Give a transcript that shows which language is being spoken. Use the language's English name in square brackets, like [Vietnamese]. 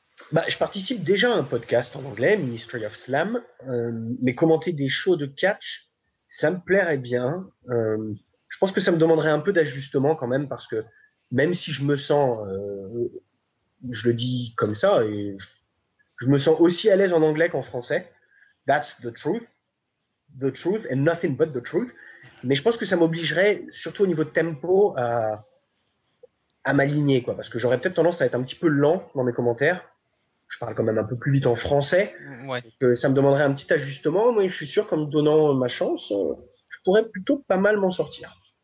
[French] Bah, je participe déjà à un podcast en anglais, Ministry of Slam, mais commenter des shows de catch, ça me plairait bien. Je pense que ça me demanderait un peu d'ajustement quand même, parce que même si je me sens, je le dis comme ça, et je me sens aussi à l'aise en anglais qu'en français. [English] That's the truth and nothing but the truth. [French] Mais je pense que ça m'obligerait, surtout au niveau de tempo, à m'aligner, quoi, parce que j'aurais peut-être tendance à être un petit peu lent dans mes commentaires. Je parle quand même un peu plus vite en français. Ouais. Que ça me demanderait un petit ajustement. Moi, je suis sûr qu'en me donnant ma chance, je pourrais plutôt pas mal m'en sortir.